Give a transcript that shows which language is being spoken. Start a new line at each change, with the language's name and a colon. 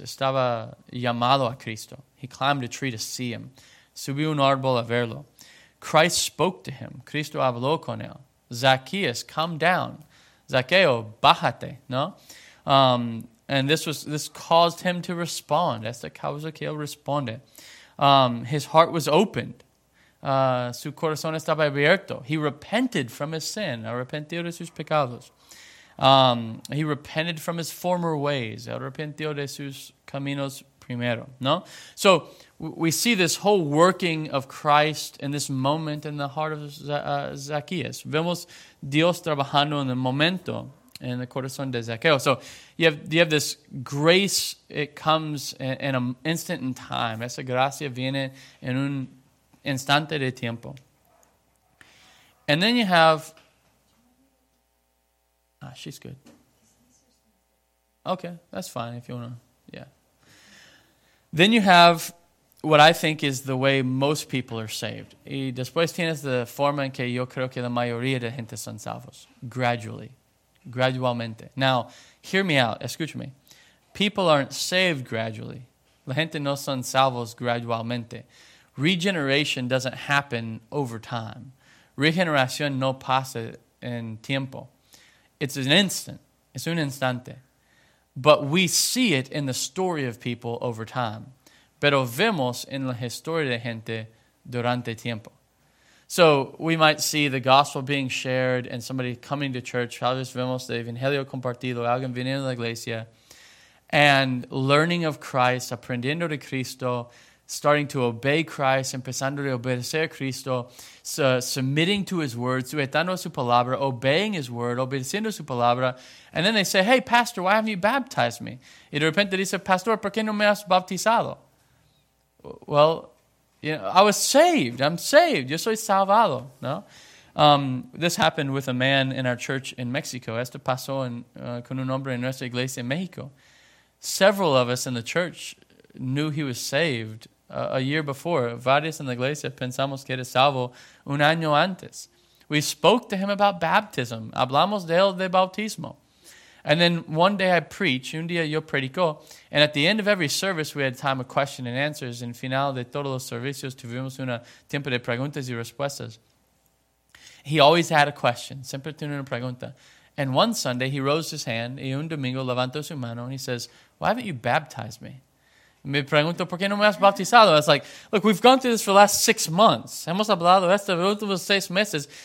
Spanish: Estaba llamado a Cristo.
English: He climbed a tree to see him.
Spanish: Subió un árbol a verlo.
English: Christ spoke to him.
Spanish: Cristo habló con él. Zacchaeus,
English: come down.
Spanish: Zaqueo, bájate, ¿no?
English: And this caused him to respond.
Spanish: Esta causa que él responde.
English: His heart was opened.
Spanish: Su corazón estaba abierto.
English: He repented from his sin.
Spanish: Arrepentió de sus pecados.
English: He repented from his former ways.
Spanish: Arrepentió de sus caminos primero, ¿no?
English: So we see this whole working of Christ in this moment in the heart of Zacchaeus.
Spanish: Vemos Dios trabajando en el momento en el corazón de Zacchaeus.
English: So you have this grace. It comes in an instant in time.
Spanish: Esa gracia viene en un instante de tiempo.
English: And then you have... Ah, she's good. Okay, that's fine if you want to... Yeah. Then you have what I think is the way most people are saved.
Spanish: Y después tienes la forma en que yo creo que la mayoría de gente son salvos. Gradualmente.
English: Now, hear me out.
Spanish: Escúchame.
English: People aren't saved gradually.
Spanish: La gente no son salvos gradualmente.
English: Regeneration doesn't happen over time.
Spanish: Regeneración no pasa en tiempo.
English: It's an instant. It's
Spanish: un instante.
English: But we see it in the story of people over time.
Spanish: Pero vemos en la historia de gente durante tiempo.
English: So we might see the gospel being shared and somebody coming to church.
Spanish: Tal vez vemos el evangelio compartido, alguien viniendo a la iglesia,
English: and learning of Christ,
Spanish: aprendiendo de Cristo,
English: starting to obey Christ,
Spanish: empezando a obedecer a Cristo,
English: submitting to his word,
Spanish: sujetando a su palabra,
English: obeying his word,
Spanish: obedeciendo su palabra.
English: And then they say, hey, pastor, why haven't you baptized me?
Spanish: Y de repente dice, pastor, ¿por qué no me has bautizado?
English: Well, you know, I was saved. I'm saved.
Spanish: Yo soy salvado, ¿no?
English: This happened with a man in our church in Mexico.
Spanish: Esto pasó con un hombre en nuestra iglesia en México.
English: Several of us in the church knew he was saved a year before.
Spanish: Varios en la iglesia pensamos que era salvo un año antes.
English: We spoke to him about baptism.
Spanish: Hablamos de él de bautismo.
English: And then one day I preach,
Spanish: un día yo predico,
English: and at the end of every service we had time of question and answers.
Spanish: En final de todos los servicios tuvimos un tiempo de preguntas y respuestas.
English: He always had a question,
Spanish: siempre tiene una pregunta.
English: And one Sunday he rose his hand,
Spanish: y un domingo levantó su mano,
English: and he says, why haven't you baptized me?
Spanish: Me pregunto, ¿por qué no me has bautizado?
English: I was like, look, we've gone through this for the last 6 months.
Spanish: Hemos hablado esto por los últimos 6 meses.